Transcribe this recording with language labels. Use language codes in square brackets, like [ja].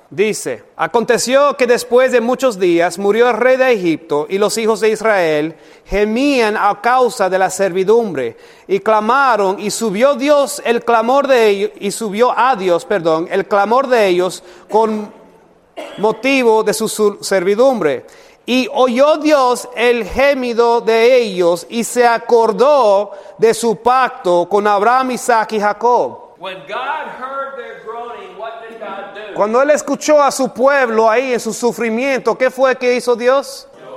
[es] Dice, aconteció que después de muchos días murió el rey de Egipto y los hijos de Israel gemían a causa de la servidumbre y clamaron y subió Dios el clamor de ellos y subió a Dios, perdón, el clamor de ellos con motivo de su servidumbre. Y oyó Dios el gemido de ellos y se acordó de su pacto con Abraham, Isaac y Jacob. [en] When God heard their groaning, what did God do? [es] Cuando él escuchó a su pueblo ahí en su sufrimiento, ¿qué fue que hizo Dios?